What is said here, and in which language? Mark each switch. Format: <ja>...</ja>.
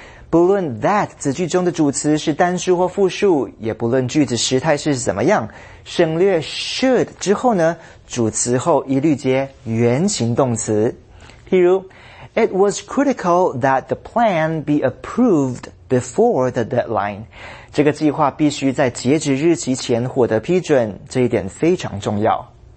<zh>不论 that 子句中的主词是单数或复数，也不论句子时态是怎么样，省略 should 之后呢，主词后一律接原形动词。</zh> <en>譬如 ，It was critical that the plan be approved before the deadline。</en> <zh>这个计划必须在截止日期前获得批准，这一点非常重要。</zh>